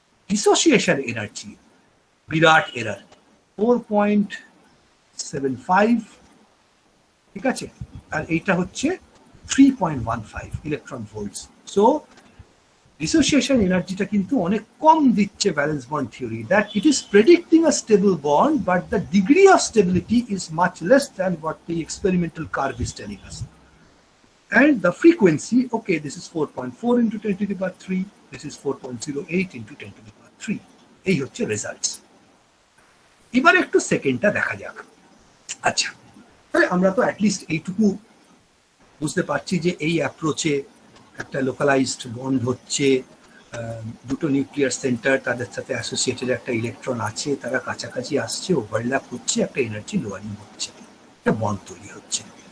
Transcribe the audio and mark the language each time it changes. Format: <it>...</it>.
<bn>Dissociation energy বিরাট error 4.75, ঠিক আছে, আর এইটা হচ্ছে 3.15 ইলেকট্রন ভোল্টস। সো ডিসোসিয়েশন এনার্জিটা কিন্তু অনেক কম দিচ্ছে valence bond theory,</bn> <en>That it is predicting a stable bond, but the degree of stability is much less than what the experimental curve is telling us. And the frequency, okay, this is 4.4 into 10 to the power 3, this is 4.08 into 10 to the power 3.</en> <bn>এই হচ্ছে results. এবার একটু সেকেন্ডটা দেখা যাক। আচ্ছা তাহলে আমরা তো অ্যাটলিস্ট এইটুকু বুঝতে পারছি যে এই অ্যাপ্রোচে একটা লোকালাইজড বন্ড হচ্ছে, দুটো নিউক্লিয়ার সেন্টার, তাদের সাথে অ্যাসোসিয়েটেড একটা ইলেকট্রন আছে, তারা কাছাকাছি আসছে, ওভারল্যাপ হচ্ছে, একটা এনার্জি লোয়ারিং হচ্ছে, একটা বন্ড তৈরি হচ্ছে।</bn>